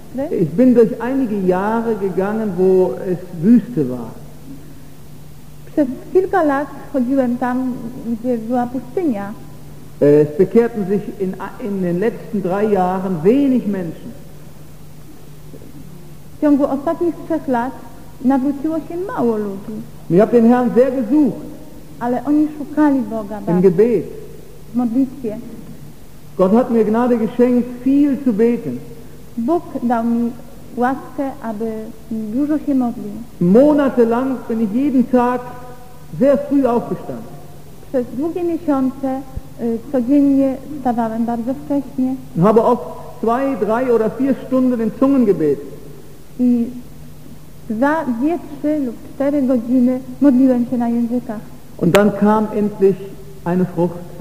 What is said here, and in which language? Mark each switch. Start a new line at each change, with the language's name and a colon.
German: Ich bin durch einige Jahre gegangen, wo es Wüste war.
Polish: Przez kilka lat chodziłem tam, gdzie była pustynia.
German: Es bekehrten sich in den letzten 3 Jahren wenig Menschen.
Polish: W ciągu ostatnich 3 lat nawróciło się mało ludzi.
German: Ich habe den Herrn sehr gesucht.
Polish: Ale oni szukali Boga.
German: Im Gebet.
Polish: W modlitwie.
German: Gott hat mir Gnade geschenkt, viel zu beten.
Polish: Bóg dał mi łaskę, aby dużo się modlił.
German: Monatelang bin ich jeden Tag sehr früh aufgestanden.
Polish: Przez długie miesiące codziennie wstawałem bardzo wcześnie.
German: Und habe oft 2, 3 oder 4 Stunden in Zungen gebetet.
Polish: I 2, 3 lub 4 godziny modliłem się na językach.
German: Und dann kam endlich eine Frucht.